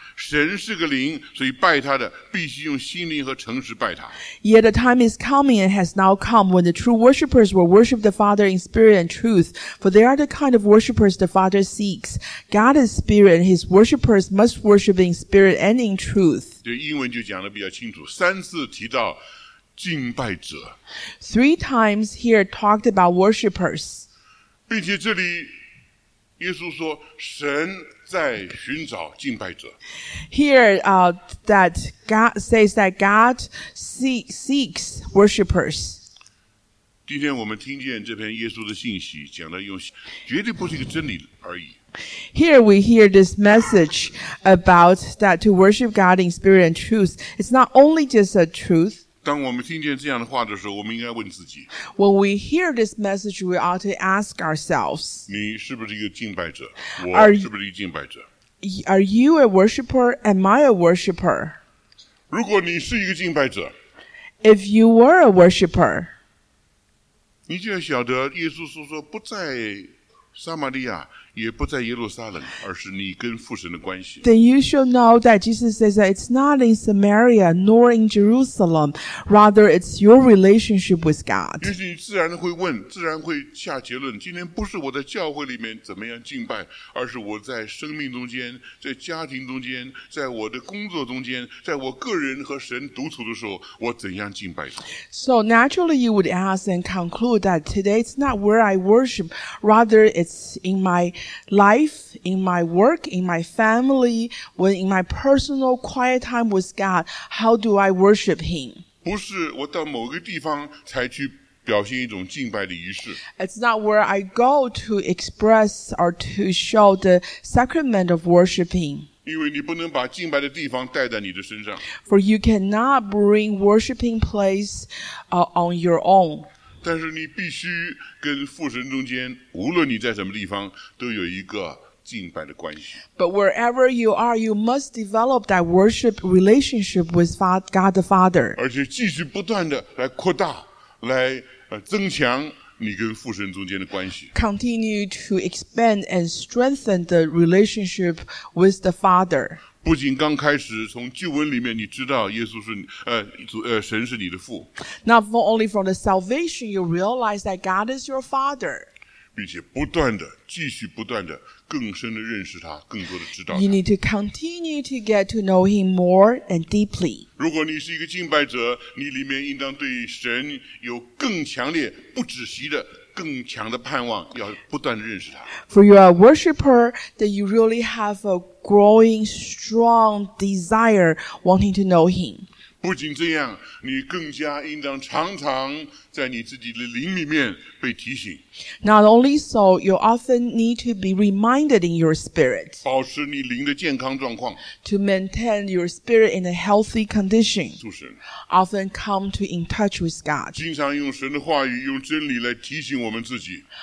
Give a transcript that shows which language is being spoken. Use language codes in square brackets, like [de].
[zh] 神是个灵，所以拜他的必须用心灵和诚实拜他。 [en] Yet the time is coming and has now come when the true worshippers will worship the Father in spirit and truth. For they are the kind of worshippers the Father seeks. God is spirit, and his worshippers must worship in spirit and in truth. [zh] 这英文就讲得比较清楚，三次提到敬拜者。 [en] Three times here talked about worshippers. [zh] 并且这里耶稣说神在寻找敬拜者。 [en] Here, that God says that God seeks worshippers. [zh] 今天我们听见这篇耶稣的信息讲的用绝对不是一个真理而已。 [en] Here we hear this message about that to worship God in spirit and truth. It's not only just a truth. [zh] 当我们听见这样的话的时候，我们应该问自己。 [en] When we hear this message, we ought to ask ourselves. [zh] 你是不是一个敬拜者？我是不是一个敬拜者？ [en] Are you a worshipper? Am I a worshipper? [zh] 如果你是一个敬拜者， [en] If you were a worshipper, [zh] 你就要晓得耶稣说说不在撒玛利亚，也不在耶路撒冷，而是你跟父神的关系。 [en] Then you shall know that Jesus says that it's not in Samaria nor in Jerusalem, rather it's your relationship with God. [zh] 于是你自然会问，自然会下结论：今天不是我在教会里面怎么样敬拜，而是我在生命中间，在家庭中间，在我的工作中间，在我个人和神独处的时候，我怎样敬拜。 [en] So naturally, you would ask and conclude that today it's not where I worship, rather it's in my life, in my work, in my family, when in my personal quiet time with God, how do I worship Him? [zh] 不是我到某个地方才去表现一种敬拜的仪式。 [en] It's not where I go to express or to show the sacrament of worshiping. [zh] 因为你不能把敬拜的地方带在你的身上。 [en] For you cannot bring worshiping place, on your own. [zh] 但是你必须跟父神中间，无论你在什么地方，都有一个敬拜的关系。 [en] But wherever you are, you must develop that worship relationship with God the Father. [zh] 而且继续不断的来扩大，来增强你跟父神中间的关系。 [en] Continue to expand and strengthen the relationship with the Father. [zh] 不仅刚开始从旧文里面你知道耶稣是神是你的父。 [en] Not only from the salvation, you realize that God is your father. [zh] 并且不断的继续不断的更深的认识他，更多的知道他。 [en] You need to continue to get to know him more and deeply. [zh] 如果你是一个敬拜者，你里面应当对神有更强烈不止息的更强的盼望，要不断认识他。 [en] For you are a worshipper, that you really have a growing strong desire wanting to know him. [zh] 不仅这样，你更加应当常常在你自己的灵里面被提醒。 [en] Not only so, you often need to be reminded in your spirit. [zh] 保持你灵的健康状况。 [en] To maintain your spirit in a healthy condition. [zh] 主神。 [en] Often come to in touch with God. [zh] 经常用神的话语，用真理来提醒我们自己。